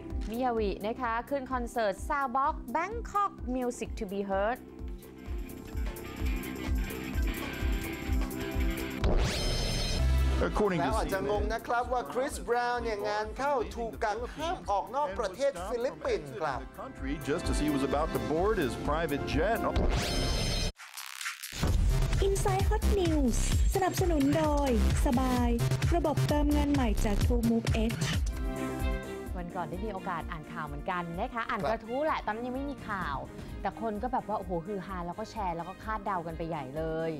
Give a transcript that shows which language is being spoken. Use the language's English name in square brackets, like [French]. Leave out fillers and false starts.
[Thai] มิยาวินะคะขึ้นคอนเสิร์ตซาวบ็อกซ์ [English] Bangkok Music to be heard [Thai] แล้วอาจจะงงนะครับว่าคริสบราวน์เนี่ยงานเข้าถูกกักห้ามออกนอกประเทศฟิลิปปินส์ครับ [English] Just as he was about to board his private jet [Thai] Inside Hot News สนับสนุนโดยสบายระบบเติมเงินใหม่จาก TrueMove Edge วันก่อนได้มีโอกาสอ่านข่าวเหมือนกันนะคะอ่านกระทู้แหละตอนนั้นยังไม่มีข่าวแต่คนก็แบบว่าโอ้โหคือฮาแล้วก็แชร์แล้วก็คาดเดากันไปใหญ่เลย